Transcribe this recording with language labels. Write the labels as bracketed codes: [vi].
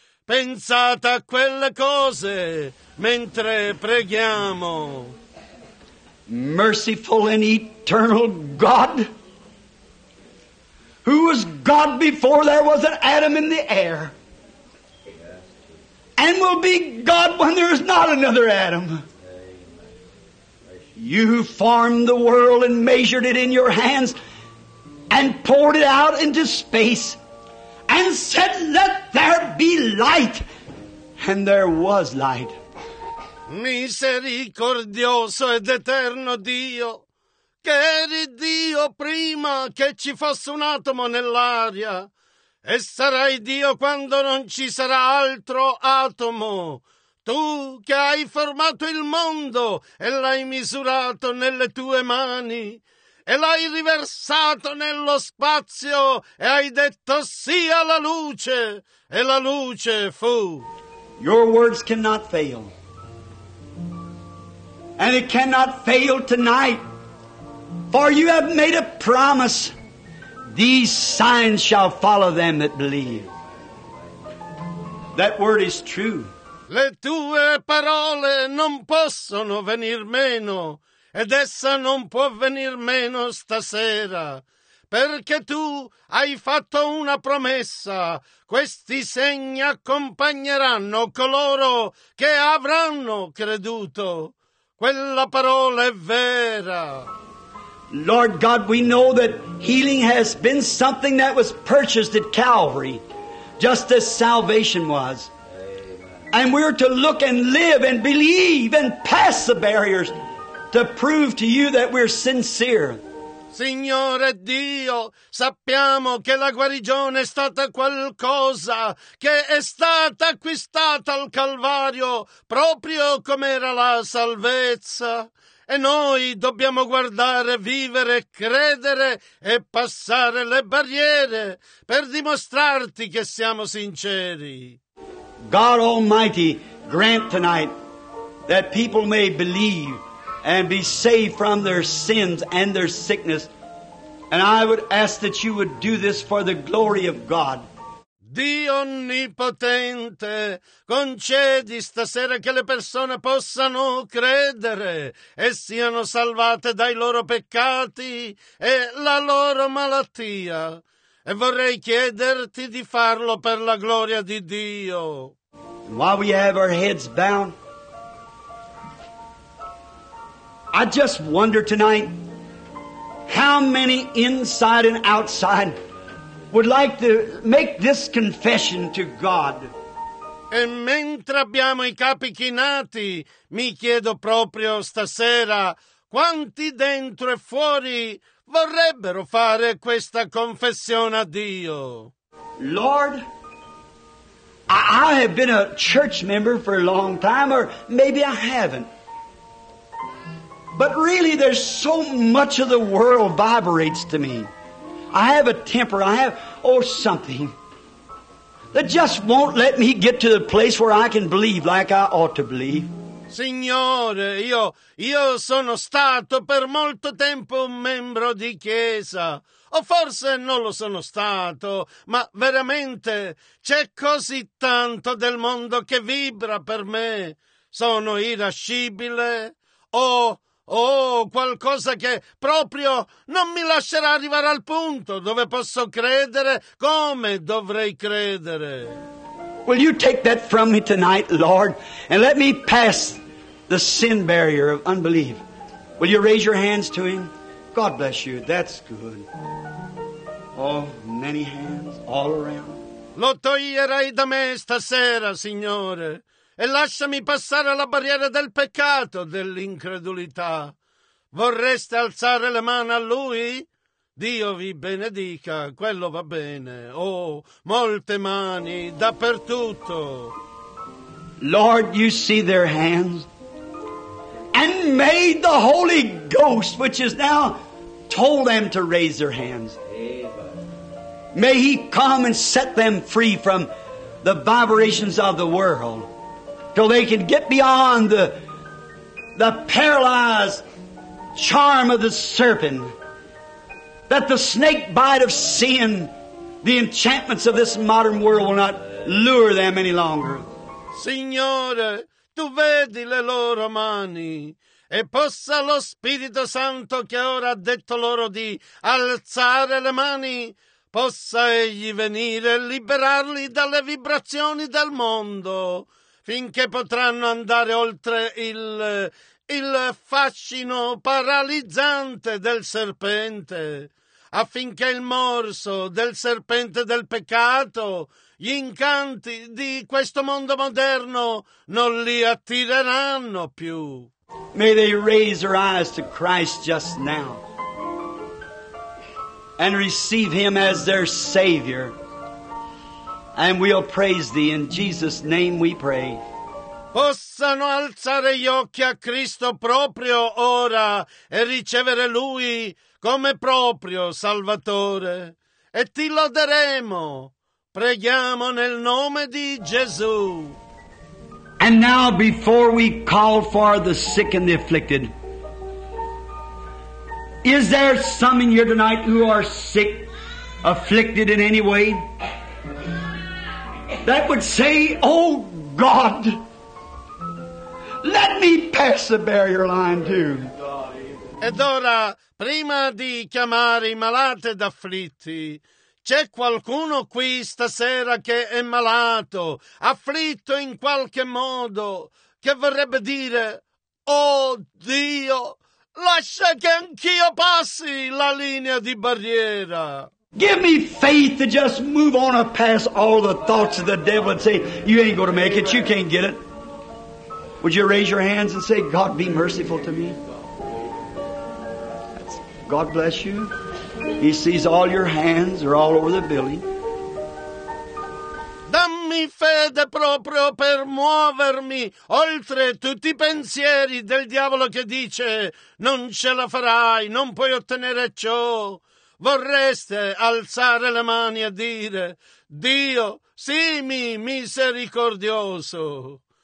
[it] Pensate a quelle cose mentre preghiamo. [en] Merciful and eternal God, who was God before there was an Adam in the air, and will be God when there is not another Adam. You who formed the world and measured it in your hands and poured it out into space and said, let there be light. And there was light. [it] Misericordioso ed eterno Dio, che eri Dio prima che ci fosse un atomo nell'aria, e sarai Dio quando non ci sarà altro atomo. Tu che hai formato il mondo e l'hai misurato nelle tue mani e l'hai riversato nello spazio e hai detto sia la luce e la luce fu. [en] Your words cannot fail. And it cannot fail tonight. For you have made a promise. These signs shall follow them that believe. That word is true. [it] Le tue parole non possono venir meno, ed essa non può venir meno stasera, perché tu hai fatto una promessa. Questi segni accompagneranno coloro che avranno creduto. Quella parola è vera. [en] Lord God, we know that healing has been something that was purchased at Calvary, just as salvation was. And we're to look and live and believe and pass the barriers to prove to you that we're sincere. [it] Signore Dio, sappiamo che la guarigione è stata qualcosa che è stata acquistata al Calvario, proprio come era la salvezza. E noi dobbiamo guardare, vivere, credere e passare le barriere per dimostrarti che siamo sinceri. [en] God Almighty, grant tonight that people may believe and be saved from their sins and their sickness. And I would ask that you would do this for the glory of God. [it] Dio Onnipotente, concedi stasera che le persone possano credere e siano salvate dai loro peccati e la loro malattia. E vorrei chiederti di farlo per la gloria di Dio. [en] And while we have our heads bound, I just wonder tonight how many inside and outside would like to make this confession to God. [it] E mentre abbiamo i capi chinati, mi chiedo proprio stasera quanti dentro e fuori vorrebbero fare questa confessione a Dio. [en] Lord, I have been a church member for a long time, or maybe I haven't. But really, there's so much of the world vibrates to me. I have a temper, something that just won't let me get to the place where I can believe like I ought to believe. [it] Signore, io sono stato per molto tempo un membro di chiesa. O forse non lo sono stato, ma veramente c'è così tanto del mondo che vibra per me. Sono irascibile o qualcosa che proprio non mi lascerà arrivare al punto dove posso credere come dovrei credere. [en] Will you take that from me tonight, Lord, and let me pass the sin barrier of unbelief? Will you raise your hands to him? God bless you. That's good. Oh, many hands all around. [it] Lo toglierai da me stasera, Signore, e lasciami passare la barriera del peccato, dell'incredulità. Vorreste alzare le mani a Lui? Dio vi benedica, quello va bene. Oh, molte mani, dappertutto. [en] Lord, you see their hands. And may the Holy Ghost, which is now told them to raise their hands, may He come and set them free from the vibrations of the world, till they can get beyond the paralyzed charm of the serpent, that the snake bite of sin, the enchantments of this modern world will not lure them any longer. [it] Signore, tu vedi le loro mani, e possa lo Spirito Santo che ora ha detto loro di alzare le mani, possa egli venire e liberarli dalle vibrazioni del mondo, finché potranno andare oltre il fascino paralizzante del serpente, affinché il morso del serpente del peccato, gli incanti di questo mondo moderno, non li attireranno più. [en] May they raise their eyes to Christ just now and receive Him as their Savior. And we'll praise Thee. In Jesus' name we pray. [it] Possano alzare gli occhi a Cristo proprio ora e ricevere Lui come proprio Salvatore. E Ti loderemo. Preghiamo nel nome di Gesù. [en] And now before we call for the sick and the afflicted, is there some in here tonight who are sick, afflicted in any way? That would say, oh God, let me pass the barrier line too. [it] Ed ora, prima di chiamare i malati ed afflitti, c'è qualcuno qui stasera che è malato, afflitto in qualche modo, che vorrebbe dire, oh Dio, lascia che anch'io passi la linea di barriera. [en] Give me faith to just move on and pass all the thoughts of the devil and say, you ain't going to make it, you can't get it. Would you raise your hands and say, God, be merciful to me? God bless you. He sees all your hands are all over the building. [it] Dammi fede proprio per muovermi oltre tutti i pensieri del diavolo che dice non ce la farai, non puoi ottenere ciò. Vorreste alzare le mani e dire Dio, sii misericordioso.